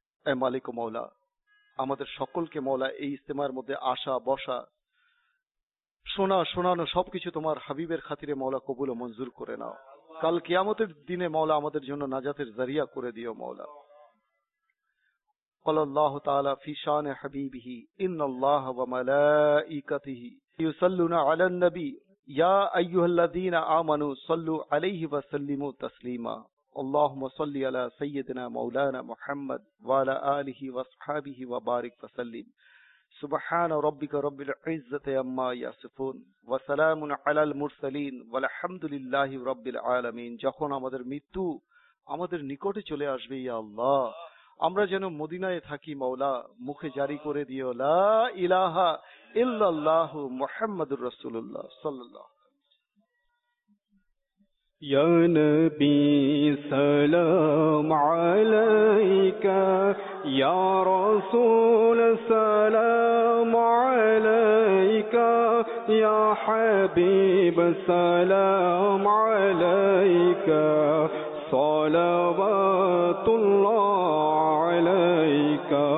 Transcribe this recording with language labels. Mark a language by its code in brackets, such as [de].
[bn] এ মালিক ও মওলা, আমাদের সকলকে মওলা এই ইস্তেমার মধ্যে আসা বসা শোনা শোনানো সবকিছু তোমার হাবিবের খাতিরে মাওলা কবুল ও মঞ্জুর করে নাও। কাল কিয়ামতের দিনে মাওলা আমাদের জন্য নাজাতের জারিয়া করে দিও মাওলা। [ar] قال الله تعالى في شان حبيبه ان الله وملائكته يصلون على النبي يا ايها الذين امنوا صلوا عليه وسلموا تسليما اللهم صل على سيدنا مولانا محمد وعلى اله وصحبه وبارك وسلم [bn] سبحان ربك رب العزه عما يصفون وسلام على المرسلين والحمد لله رب العالمين যখন আমাদের মৃত্যু আমাদের নিকটে চলে আসবে ইয়া আল্লাহ আমরা যেন মদিনায় থাকি মাওলা, মুখে জারি করে দিও লা ইলাহা ইল্লাল্লাহ মুহাম্মাদুর রাসূলুল্লাহ সাল্লাল্লাহু [ar] ইয়া নবী সালাম আলাইকা ইয়া রাসূল সালাম আলাইকা ইয়া হাবিব সালাম আলাইকা صلوات الله عليك